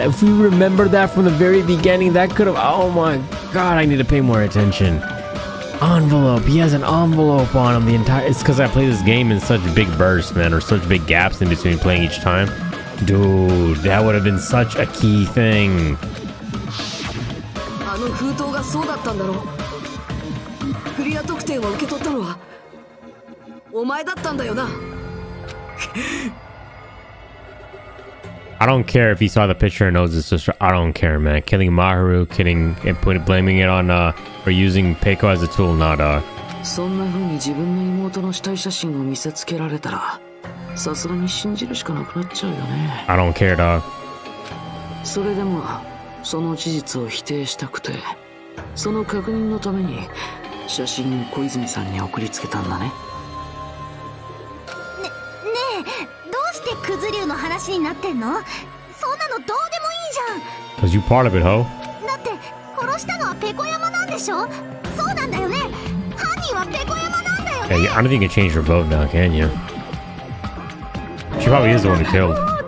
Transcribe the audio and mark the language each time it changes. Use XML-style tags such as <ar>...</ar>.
<en>If we remember that from the very beginning, that could have... Oh my god, I need to pay more attention. Envelope. He has an envelope on him the entire... It's because I play this game in such big bursts, man, or such big gaps in between playing each time. Dude, that would have been such a key thing.</en> <ja>封筒がそうだったんだろう。クリア得点を受け取ったのはお前だったんだよな。</ja> <en>I don't care if he saw the picture and knows his sister. I don't care, man. Killing Maharu, killing and blaming it on or using Peiko as a tool, not a.</en> <ja>そんな風に自分の妹の死体写真を見せつけられたら、さすがに信じるしかなくなっちゃうよね。</ja> <en>I don't care, dog.</en> <ja>それでも。その事実を否定したくて、その確認のために写真を小泉さんに送りつけたんだね。ねえ、どうしてクズリューの話になってんの？そんなのどうでもいいじゃん。</ja> <en>Cause you part of it, ho?</en> <ja>だって殺したのはペコ山なんでしょ？そうなんだよね。犯人はペコ山なんだよね。</ja> <en>Yeah, I don't think you can change your vote now, can you? She probably is the one who killed.</en>